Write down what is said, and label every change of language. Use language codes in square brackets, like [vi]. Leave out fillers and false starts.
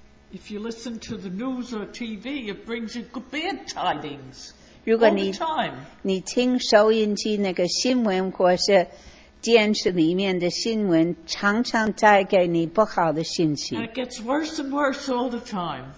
[en] If you listen to the news or TV, it brings you good bad tidings all the time. [zh] 你听收音机那个新闻或是电视里面的新闻，常常带给你不好的信息。 [en] And it gets worse and worse all the time.